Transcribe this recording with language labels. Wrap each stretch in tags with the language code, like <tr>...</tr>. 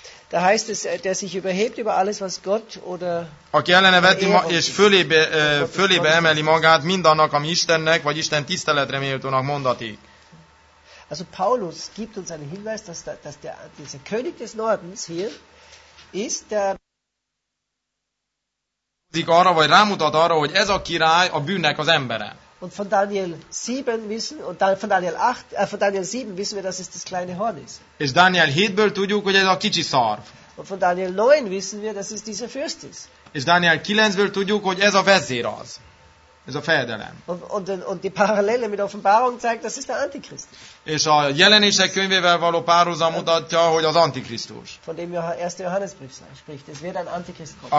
<de>Da heißt es, der sich überhebt über alles, was Gott oder</de> <hu>aki ellene veti és fölébe emeli magát mindannak, ami Istennek vagy Isten tiszteletre méltónak mondatik.</hu> <de>Also Paulus gibt uns einen Hinweis, dass der dieser König des Nordens hier ist der</de> <hu>arra, vagy rámutat arra, hogy ez a király a bűnnek az embere.</hu> <de>Und von Daniel 7 wissen und dann von Daniel 8 von Daniel 7 wissen wir, dass es das kleine Horn ist.</de> <hu>És Daniel 7-ből tudjuk, hogy ez a kicsi szarv.</hu> <de>Und von Daniel 9 wissen wir, dass es dieser Fürst ist.</de> <hu>És Daniel 9-ből tudjuk, hogy ez a vezér az. Ez a fejedelem.</hu> <de>Und die Parallele mit Offenbarung zeigt, dass es der Antichrist.</de> <hu>És a Jelenések könyvével való párhuzam mutatja, hogy az Antikrisztus.</hu> <de>Von dem erste Johannesbrief spricht, es wird ein Antichrist kommen.</de>